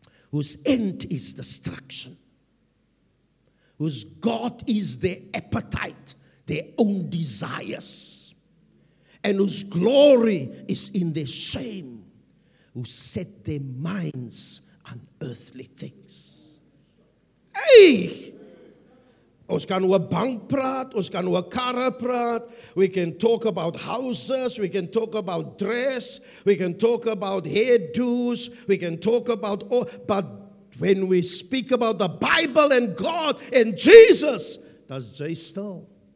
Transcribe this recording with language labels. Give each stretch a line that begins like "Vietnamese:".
English: Whose end is destruction. Whose God is their appetite, their own desires. And whose glory is in their shame. Who set their minds on earthly things. Hey!
Afrikaans: Ons kan oor bank praat, ons kan oor karre praat.
English: We can talk about houses, we can talk about dress, we can talk about hairdos, we can talk about all. But when we speak about the Bible and God and Jesus, does they still?